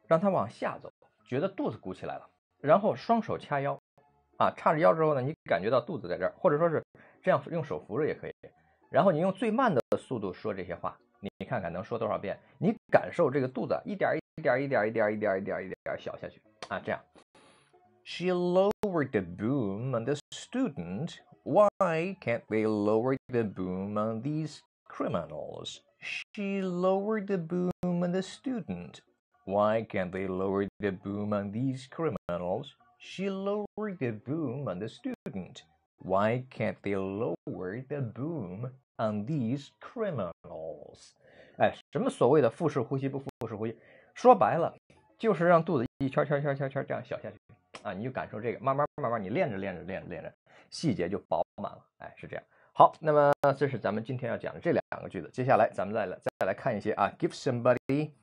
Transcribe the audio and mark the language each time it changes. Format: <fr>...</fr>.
<zh>让它往下走，觉得肚子鼓起来了。然后双手掐腰，啊，叉着腰之后呢，你感觉到肚子在这儿，或者说是这样用手扶着也可以。然后你用最慢的速度说这些话，你看看能说多少遍。你感受这个肚子一点一点一点一点一点一点一点小下去啊，这样。</zh> <en>She lowered the boom on the student. Why can't they lower the boom on these criminals? She lowered the boom on the student. Why can't they lower the boom on these criminals? She lowered the boom on the student. Why can't they lower the boom on these criminals?</en> <zh>哎，什么所谓的腹式呼吸不腹式呼吸？说白了，就是让肚子一圈圈圈圈圈这样小下去啊！你就感受这个，慢慢慢慢，你练着练着练着练着，细节就饱满了。哎，是这样。好，那么这是咱们今天要讲的这两个句子。接下来咱们再来看一些啊 ，give somebody。</zh>